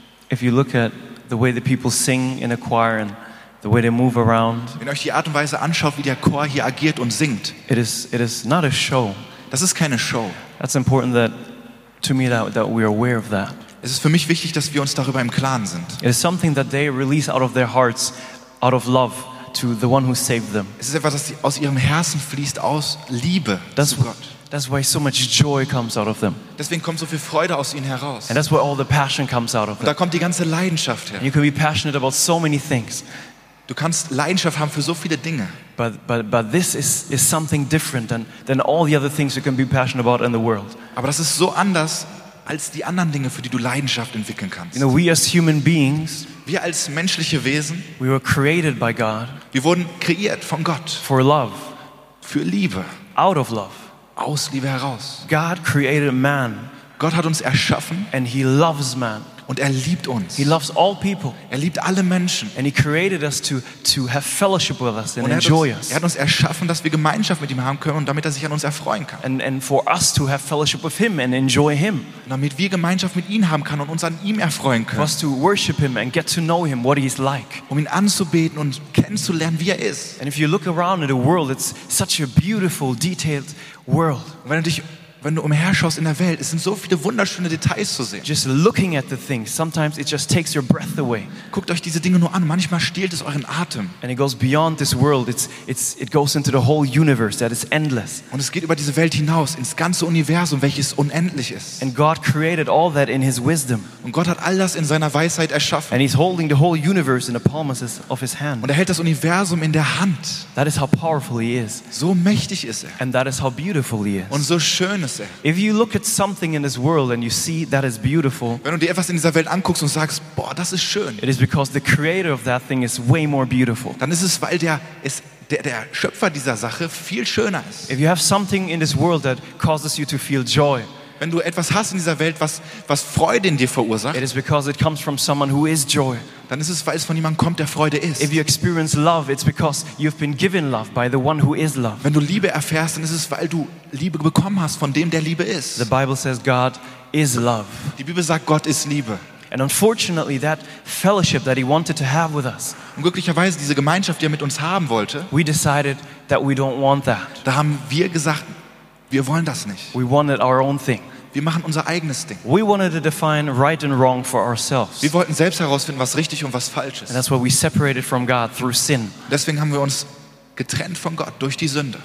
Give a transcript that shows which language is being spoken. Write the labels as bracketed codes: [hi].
[en] If you look at the way the people sing in a choir and the way they move around. [de] Wenn euch die Art und Weise anschaut, wie der Chor hier agiert und singt. [en] It is not a show. [de] Das ist keine Show. [en] That's important that we are aware of that. [de] Es ist für mich wichtig, dass wir uns darüber im Klaren sind. [en] It is something that they release out of their hearts, out of love to the one who saved them. [de] Es ist etwas, das aus ihrem Herzen fließt, aus Liebe zu Gott. [en] That's why so much joy comes out of them. [de] Deswegen kommt so viel Freude aus ihnen heraus. [en] And that's where all the passion comes out of [de] them. Da kommt die ganze Leidenschaft her. [en] And you can be passionate about so many things. [de] Du kannst Leidenschaft haben für so viele Dinge. [en] But this is something different than all the other things you can be passionate about in the world. [de] Aber das ist so anders als die anderen Dinge, für die du Leidenschaft entwickeln kannst. [en] You know, we as human beings, [de] wir als menschliche Wesen, [en] we were created by God. [de] Wir wurden kreiert von Gott. [en] For love. [de] Für Liebe. [en] Out of love. [de] Aus Liebe heraus. [en] God created man. [de] Gott hat uns erschaffen. [en] And he loves man. [de] Und er liebt uns. [en] He loves all people. [de] Er liebt alle Menschen. [en] And he created us to have fellowship with us and enjoy us. [de] Er hat uns erschaffen, dass wir Gemeinschaft mit ihm haben können und damit er sich an uns erfreuen kann. [en] And for us to have fellowship with him and enjoy him. [de] Damit wir Gemeinschaft mit ihm haben können und uns an ihm erfreuen können. [en] For us to worship him and get to know him, what he's like. [de] Um ihn anzubeten und kennenzulernen, wie er ist. [en] And if you look around at the world, it's such a beautiful, detailed world. [de] Wenn du umherschaust in der Welt, es sind so viele wunderschöne Details zu sehen. [en] Just looking at the things, sometimes it just takes your breath away. [de] Guckt euch diese Dinge nur an, manchmal stiehlt es euren Atem. [en] And it goes beyond this world, it goes into the whole universe that is endless. [de] Und es geht über diese Welt hinaus, ins ganze Universum, welches unendlich ist. [en] And God created all that in his wisdom. [de] Und Gott hat all das in seiner Weisheit erschaffen. [en] And he's holding the whole universe in the palm of his hand. [de] Und er hält das Universum in der Hand. [en] That is how powerful he is. [de] So mächtig ist er. [en] And that is how beautiful he is. [de] Und so schön ist er. [en] If you look at something in this world and you see that is beautiful, [de] wenn du dir etwas in dieser Welt anguckst und sagst, boah, das ist schön, [en] it is because the creator of that thing is way more beautiful. [de] Dann ist es, weil der Schöpfer dieser Sache viel schöner ist. [en] If you have something in this world that causes you to feel joy, [de] wenn du etwas hast in dieser Welt, was Freude in dir verursacht, [en] it is because it comes from someone who is joy. [de] Dann ist es, weil es von jemandem kommt, der Freude ist. [en] If you experience love, it's because you've been given love by the one who is love. [de] Wenn du Liebe erfährst, dann ist es, weil du Liebe bekommen hast von dem, der Liebe ist. [en] The Bible says God is love. [de] Die Bibel sagt, Gott ist Liebe. [en] And unfortunately, that fellowship that he wanted to have with us. [de] Und glücklicherweise diese Gemeinschaft, die er mit uns haben wollte. [en] We decided that we don't want that. [de] Da haben wir gesagt, wir wollen das nicht. [en] We wanted our own thing. [de] Wir machen unser eigenes Ding. [en] We wanted to define right and wrong for ourselves. [de] Wir wollten selbst herausfinden, was richtig und was falsch ist. [en] And that's why we separated from God through sin. [de] Deswegen haben wir uns getrennt von Gott durch die Sünde.